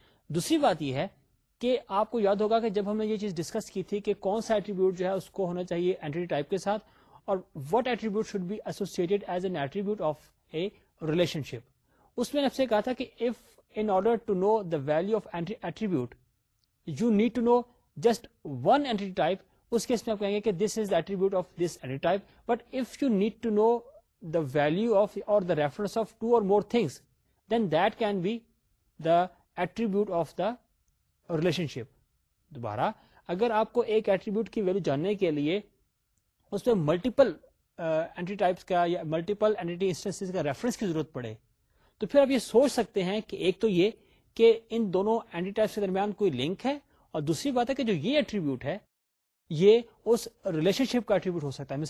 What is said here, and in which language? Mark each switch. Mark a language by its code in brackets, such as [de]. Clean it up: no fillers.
[ur] دوسری بات یہ ہے کہ آپ کو یاد ہوگا کہ جب ہم نے یہ چیز ڈسکس کی تھی کہ کون سا ایٹریبیوٹ جو ہے اس کو ہونا چاہیے اینٹی ٹائپ کے ساتھ, [en] اور what attribute should be associated as an attribute of a relationship, [ur] اس میں آپ سے کہا تھا کہ [en] if in order to know the value of attribute you need to know just one entity type, [ur] اس case میں آپ کہیں گے کہ [en] This is attribute of this entity type. But if you need to know the value of or the reference of two or more things then that can be the attribute of the relationship. [ur] دوبارہ اگر آپ کو ایک ایٹریبیوٹ کی ویلیو جاننے کے لیے اس میں ملٹیپل اینٹی ٹائپس کا یا ملٹیپل اینٹی انسٹنسز کا ریفرنس کی ضرورت پڑے, تو پھر آپ یہ سوچ سکتے ہیں کہ ایک تو یہ کہ ان دونوں اینٹی ٹائپس کے درمیان کوئی لنک ہے, اور دوسری بات ہے کہ جو یہ ایٹریبیوٹ ہے یہ اس ریلیشن شپ کا ایٹریبیوٹ ہو سکتا ہے.